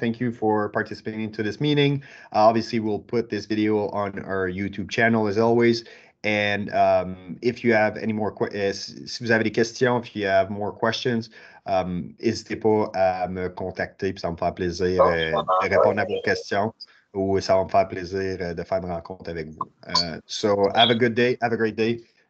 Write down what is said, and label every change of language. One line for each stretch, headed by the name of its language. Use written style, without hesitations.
English: Thank you for participating to this meeting. Obviously, we'll put this video on our YouTube channel as always. And if you have any more questions,
French: si vous avez des questions,
English: if you have more questions,
French: n'hésitez pas à me contacter, puis ça va me faire plaisir de répondre à vos questions, ou ça va me faire plaisir de faire une rencontre avec vous.
English: So, have a good day, have a great day.